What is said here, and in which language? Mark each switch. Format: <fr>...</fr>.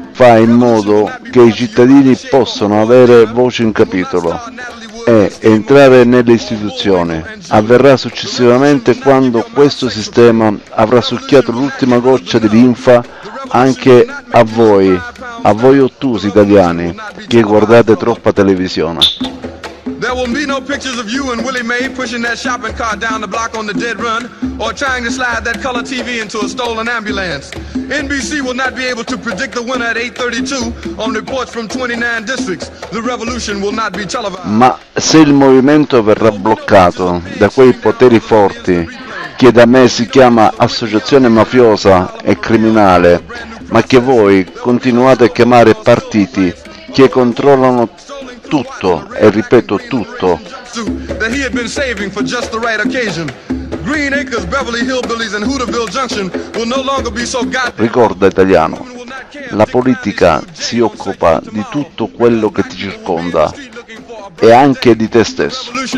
<it>Fa in modo che i cittadini possano avere voce in capitolo e entrare nelle istituzioni. Avverrà successivamente quando questo sistema avrà succhiato l'ultima goccia di linfa anche a voi ottusi italiani che guardate troppa televisione.</it> <en>There will be no pictures of you and Willie Mae pushing that shopping cart down the block on the dead run or trying to slide that color TV into a stolen ambulance. NBC will not be able to predict the winner at 8:32 on reports from 29 districts. The revolution will not be televised.</en> <it>Ma se il movimento verrà bloccato da quei poteri forti che da me si chiama associazione mafiosa e criminale, ma che voi continuate a chiamare partiti che controllano tutto, e ripeto tutto.</it> <en>That he had been saving for just the right occasion. Green Acres, Beverly Hillbillies and Hooterville Junction will no longer be so goddamn.</en> <it>Ricorda italiano, la politica si occupa di tutto quello che ti circonda e anche di te stesso.</it>